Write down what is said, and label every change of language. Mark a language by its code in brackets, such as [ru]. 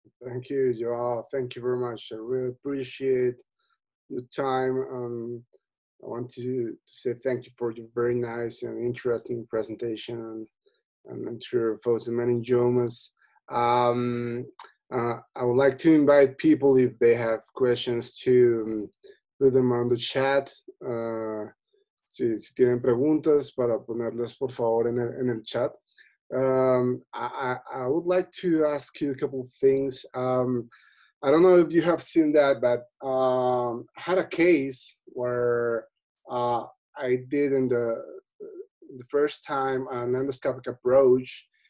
[en] Thank you, Joao. Thank you very much. I really appreciate your time. I want to say thank you for your very nice and interesting presentation on anterior fossa meningiomas. I would like to invite people, if they have questions, to put them on the chat. [es] Si tienen preguntas, para ponerlas, por favor, en el chat. [en] I would like to ask you a couple of things. I don't know if you have seen that, but I had a case where I did in the first time an endoscopic approach.